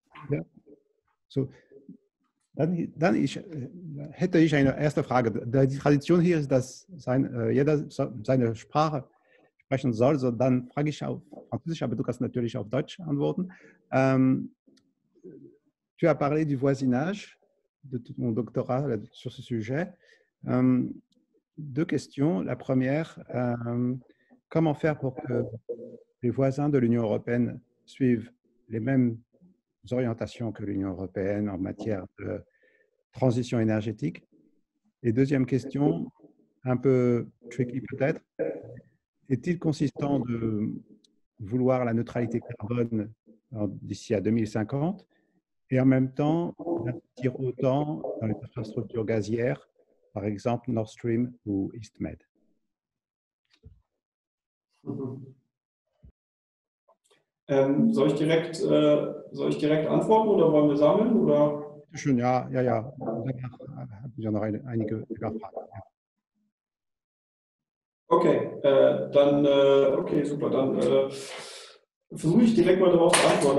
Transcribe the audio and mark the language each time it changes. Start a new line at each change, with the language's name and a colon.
German: Ja, so. Dann hätte ich eine erste Frage. Die Tradition hier ist, dass jeder seine Sprache sprechen soll. So, dann frage ich auf Französisch, aber du kannst natürlich auf Deutsch antworten.
French: Tu as parlé du voisinage, de tout mon doctorat là, sur ce sujet. Deux questions. La première, comment faire pour que les voisins de l'Union européenne suivent les mêmes orientations que l'Union européenne en matière de transition énergétique. Et deuxième question, un peu tricky peut-être, est-il consistant de vouloir la neutralité carbone d'ici à 2050 et en même temps investir autant dans les infrastructures gazières, par exemple Nord Stream ou EastMed.
German: Soll ich direkt antworten oder wollen wir sammeln? Oder? Schön, ja. Ich habe ja noch einige Fragen. Ja. Okay, super, dann versuche ich direkt mal darauf zu antworten.